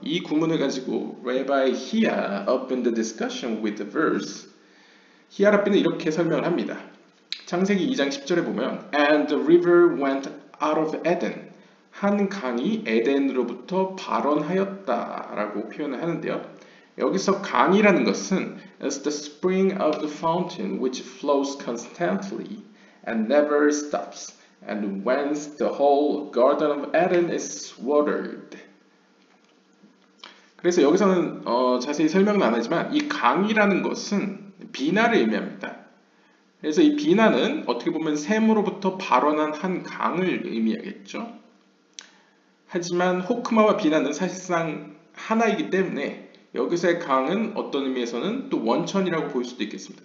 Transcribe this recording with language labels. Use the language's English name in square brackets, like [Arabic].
[Korean] 이 구문을 가지고 [English] Rabbi Hiya opened the discussion with the verse. [Korean] 히야 랍비는 이렇게 설명을 합니다. 창세기 2장 10절에 보면 [English] And the river went out of Eden. [Korean] 한 강이 에덴으로부터 발원하였다 라고 표현을 하는데요. 여기서 강이라는 것은 [English] is the spring of the fountain which flows constantly and never stops and whence the whole garden of Eden is watered. [Korean] 그래서 여기서는 자세히 설명은 안 하지만 이 강이라는 것은 비나를 의미합니다. 그래서 이 비나는 어떻게 보면 샘으로부터 발원한 한 강을 의미하겠죠. 하지만 호크마와 비나는 사실상 하나이기 때문에 여기서의 강은 어떤 의미에서는 또 원천이라고 볼 수도 있겠습니다.